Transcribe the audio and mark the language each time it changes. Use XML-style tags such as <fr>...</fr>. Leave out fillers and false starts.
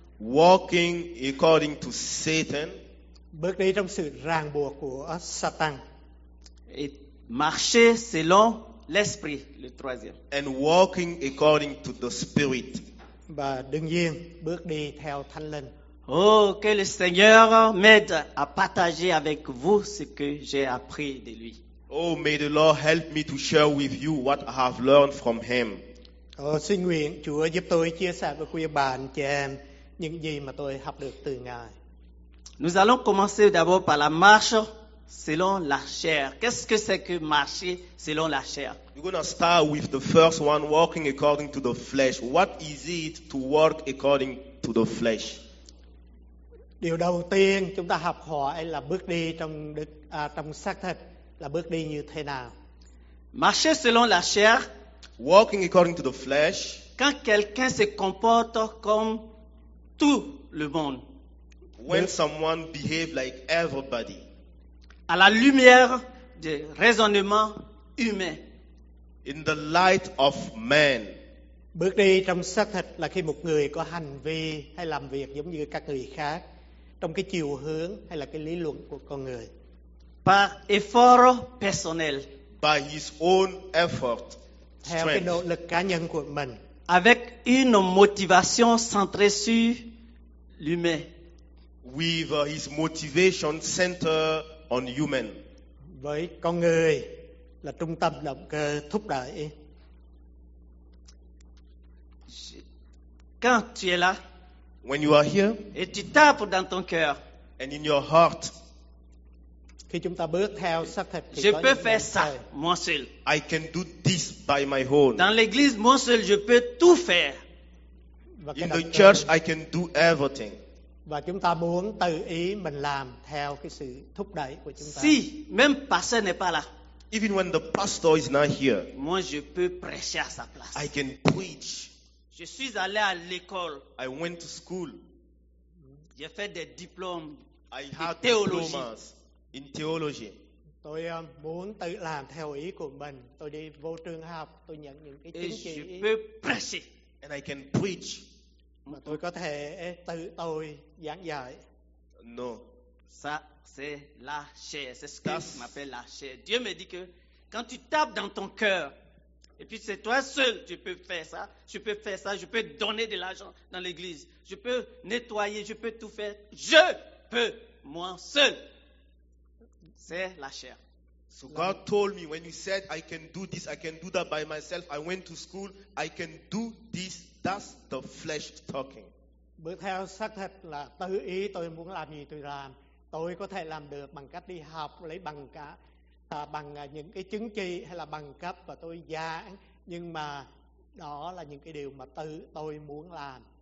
<en>Walking according to Satan.</en> <vi>Bước đi trong sự ràng buộc của Satan.</vi> <fr>Et marcher selon l'esprit, le troisième.</fr> <en>And walking according to the spirit.</en> <vi>Và đương nhiên, bước đi theo Thánh Linh.</vi> <fr>Oh, que le Seigneur m'aide à partager avec vous ce que j'ai appris de lui.</fr> <en>Oh, may the Lord help me to share with you what I have learned from him.</en> <vi>Oh, xin nguyện Chúa giúp tôi chia sẻ với quý bạn, chị em, những gì mà tôi học được từ Ngài.</vi> <fr>Nous allons commencer d'abord par la marche selon la chair. Qu'est-ce que c'est que marcher selon la chair?</fr> <en>We're going to start with the first one, walking according to the flesh. What is it to walk according to the flesh?</en> <vi>Điều đầu tiên chúng ta học hỏi là bước đi trong đức trong xác thịt là bước đi như thế nào?</vi> <fr>Marcher selon la chair.</fr> <en>Walking according to the flesh.</en> <fr>Quand quelqu'un se comporte comme tout le monde.</fr> <en>When someone behaves like everybody.</en> <fr>À la lumière du raisonnement humain.</fr> <en>In the light of man.</en> <vi>Bước đi trong xác thịt là khi một người có hành vi hay làm việc giống như các người khác. Trong cái chiều hướng hay là cái lý luận của con người.</vi> <fr>Par effort personnel.</fr> <en>By his own effort.</en> <vi>Theo cái nỗ lực cá nhân của mình.</vi> <fr>Avec une motivation centrée sur l'humain.</fr> <en>With his motivation centered on human.</en> <vi>Với con người là trung tâm động cơ thúc đẩy.</vi> <fr>Quand tu es là.</fr> <en>When you are here,</en> <fr>et tu tapes dans ton cœur,</fr> <en>and in your heart,</en> <vi>khi chúng ta bước theo xác thịt,</vi> <fr>je peux faire ça, moi seul.</fr> <en>I can do this by my own.</en> <fr>Dans l'église, moi seul, je peux tout faire.</fr> <en>In the church, I can do everything.</en> <vi>Và chúng ta muốn tự ý mình làm theo cái sự thúc đẩy của chúng ta.</vi> <fr>Si, même pasteur n'est pas là.</fr> <en>Even when the pastor is not here,</en> <fr>moi je peux prêcher à sa place.</fr> <en>I can preach.</en> <fr>Je suis allé à l'école.</fr> <en>I went to school.</en> <fr>J'ai fait des diplômes.</fr> <en>I had diplomas in theology.</en> <vi>Tôi muốn tự làm theo ý của mình. Tôi đi vô trường học. Tôi nhận những cái chứng chỉ.</vi> <fr>Et je peux prêcher.</fr> <en>And I can preach.</en> <vi>Mà tôi có thể tự tôi giảng dạy.</vi> <en>No.</en> <fr>Ça, c'est la chair. C'est ce que je m'appelle la chair. Dieu me dit que quand tu tapes dans ton cœur, et puis c'est toi seul, tu peux faire ça. Tu peux faire ça. Je peux donner de l'argent dans l'église. Je peux nettoyer. Je peux tout faire. Je peux, moi seul. C'est la chair.</fr> <en>So God told me when you said I can do this, I can do that by myself. I went to school. I can do this. That's the flesh talking.</en> <vi>Bước theo xác thịt là tự ý tôi muốn làm gì tôi làm. Tôi có thể làm được bằng cách đi học lấy bằng cả. Bằng những cái chứng chỉ hay là bằng cấp và tôi giảng, nhưng mà đó là những cái điều mà tự tôi muốn làm.</vi>